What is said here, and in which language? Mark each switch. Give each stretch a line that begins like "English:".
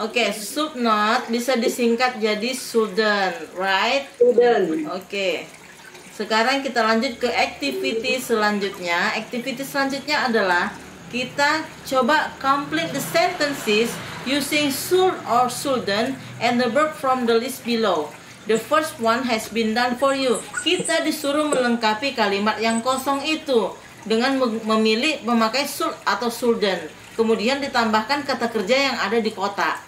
Indonesian: Oke, okay, should not bisa disingkat jadi shouldn't, right?
English: Shouldn't. Oke. Okay.
Indonesian: Sekarang kita lanjut ke activity selanjutnya. Activity selanjutnya adalah kita coba
English: complete the sentences using should or shouldn't and the verb from the list below. The first one has been done for you.
Indonesian: Kita disuruh melengkapi kalimat yang kosong itu dengan memilih memakai should atau shouldn't. Kemudian ditambahkan kata kerja yang ada di kota.